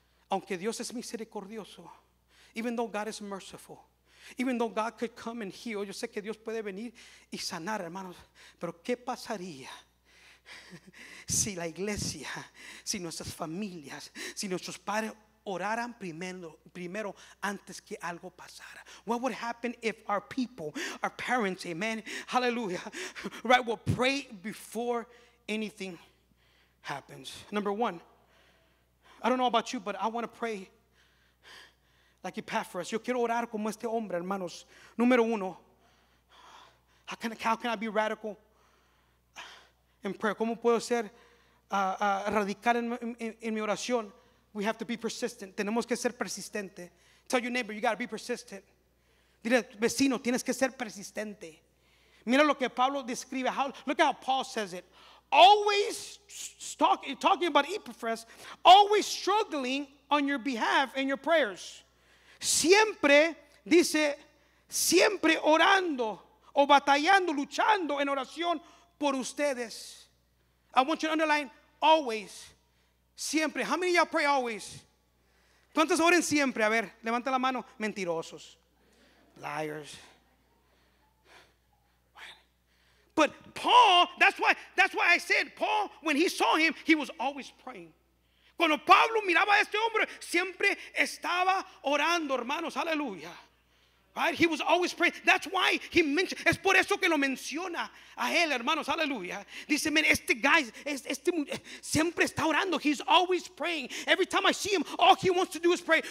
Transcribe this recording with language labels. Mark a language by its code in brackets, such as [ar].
[es] Aunque Dios es misericordioso, [en] even though God is merciful, even though God could come and heal, [es] yo sé que Dios puede venir y sanar, hermanos. Pero ¿qué pasaría si la iglesia, si nuestras familias, si nuestros padres oraran primero antes que algo pasara? [en] What would happen if our people, our parents, amen, hallelujah, right, will pray before anything happens? Number one, I don't know about you, but I want to pray like Epaphras. [es] Yo quiero orar como este hombre, hermanos. Número uno. [en] How can I be radical in prayer? [es] ¿Cómo puedo ser radical en mi oración? [en] We have to be persistent. [es] Tenemos que ser persistente. [en] Tell your neighbor, you got to be persistent. [es] Dile, vecino, tienes que ser persistente. Mira lo que Pablo describe. [en] Look at how Paul says it. Always talking about Epaphras, always struggling on your behalf in your prayers. [es] Siempre, dice, siempre orando o batallando, luchando en oración por ustedes. [en] I want you to underline always. Siempre. How many of y'all pray always? [es] ¿Cuántos oren siempre? A ver, levanta la mano. Mentirosos. Liars. [en] But Paul, that's why I said Paul, when he saw him, he was always praying. [es] Cuando Pablo miraba a este hombre, siempre estaba orando, hermanos. [en] Aleluya. Right? He was always praying. That's why he mentioned. [es] Es por eso que lo menciona a él, hermanos. Aleluya. Dice, man, este guy, este siempre está orando. [en] He's always praying. Every time I see him, all he wants to do is pray.